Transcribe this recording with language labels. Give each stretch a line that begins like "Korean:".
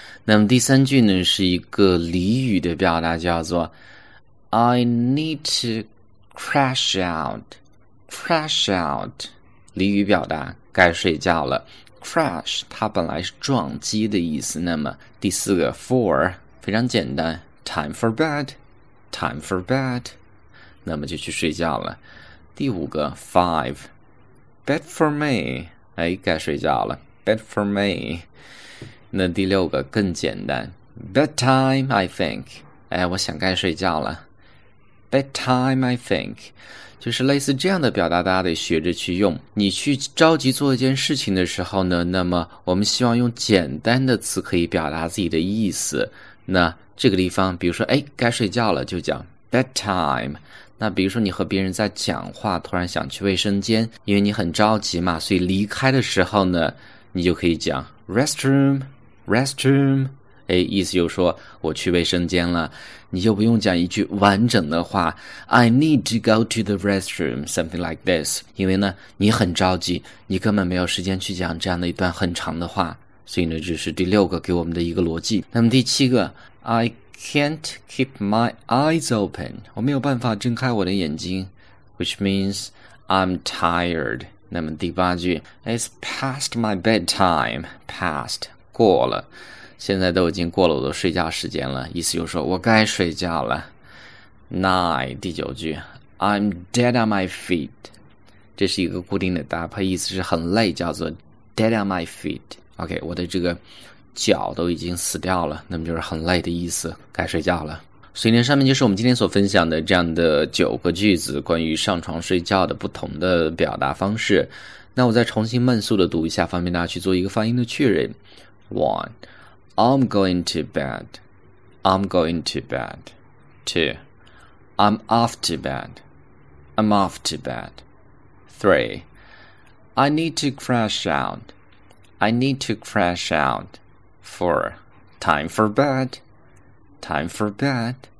Chinese: 那么第三句呢是一个俚语的表达，叫做
English: I need to crash out, crash out,
Chinese: 俚语表达该睡觉了。 crash 它本来是撞击的意思，那么第四个 for 非常简单，
English: time for bedTime for bed,
Chinese: 那么就去睡觉了。第五个 five,
English: bed for me,
Chinese: 哎，该睡觉了 ,
English: bed for me。
Chinese: 那第六个更简单 ,
English: bedtime, I think,
Chinese: 哎，我想该睡觉了 ,
English: bedtime, I think,
Chinese: 就是类似这样的表达，大家得学着去用。你去着急做一件事情的时候呢，那么我们希望用简单的词可以表达自己的意思。那这个地方比如说，哎，该睡觉了，就讲 bedtime。那比如说你和别人在讲话，突然想去卫生间，因为你很着急嘛，所以离开的时候呢，你就可以讲 restroom, restroom, 哎，意思就是说我去卫生间了，你就不用讲一句完整的话
English: I need to go to the restroom, something like this,
Chinese: 因为呢你很着急，你根本没有时间去讲这样的一段很长的话。所以呢，这是第六个给我们的一个逻辑。那么第七个
English: I can't keep my eyes open,
Chinese: 我没有办法睁开我的眼睛，
English: which means I'm tired。
Chinese: 那么第八句
English: It's past my bedtime,
Chinese: past, 过了，现在都已经过了我的睡觉时间了，意思就是说我该睡觉了。 Nine, 第九句
English: I'm dead on my feet,
Chinese: 这是一个固定的搭配，意思是很累，叫做
English: dead on my feet。
Chinese: OK, 我的这个脚都已经死掉了，那么就是很累的意思，该睡觉了。所以呢，上面就是我们今天所分享的这样的九个句子，关于上床睡觉的不同的表达方式。那我再重新慢速的读一下，方便大家去做一个发音的确认。
English: One, I'm going to bed, I'm going to bed. Two, I'm off to bed, I'm off to bed. Three, I need to crash out. I need to crash out. Four, time for bed. Time for bed.